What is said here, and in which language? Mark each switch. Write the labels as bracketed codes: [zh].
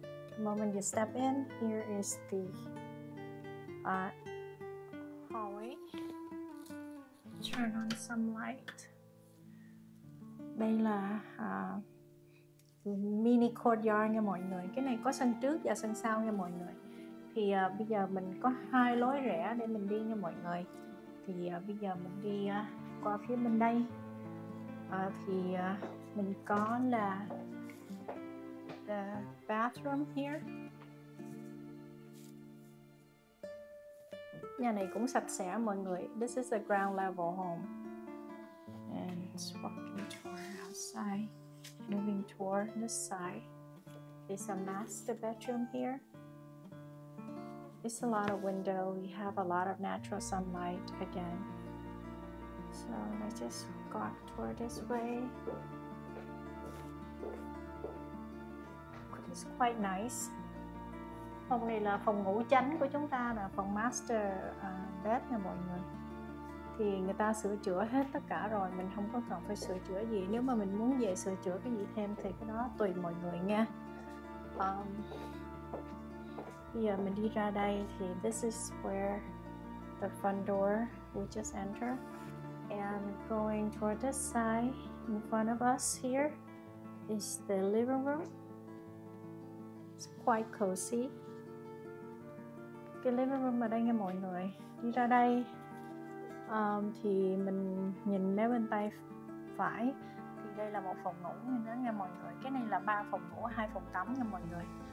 [en] The moment you step in, here is the hallway. Turn on some light. [vi] Đây là mini courtyard nha mọi người. Cái này có sân trước và sân sau nha mọi người. Thì bây giờ mình có hai lối rẽ để mình đi nha mọi người. Thì bây giờ mình đi qua phía bên đây. Thì mình có là [en] the bathroom here. [vi] Nhà này cũng sạch sẽ mọi người. [en] This is a ground level home. And walking toward outside, moving toward the side. It's a master bedroom here. It's a lot of window. We have a lot of natural sunlight again. So let's just go up toward this way. It's quite nice. [vi] Phòng này là phòng ngủ chính của chúng ta, là phòng master bed nè mọi người. Thì người ta sửa chữa hết tất cả rồi, mình không có cần phải sửa chữa gì. Nếu mà mình muốn về sửa chữa cái gì thêm thì cái đó tùy mọi người nha. Bây giờ mình đi ra đây thì [en] this is where the front door we just enter. And going toward this side in front of us here is the living room. It's quite cozy. [vi] Cái living room ở đây nha mọi người. Đi ra đây thì mình nhìn mé bên tay phải thì đây là một phòng ngủ nha mọi người. Cái này là ba phòng ngủ, hai phòng tắm nha mọi người.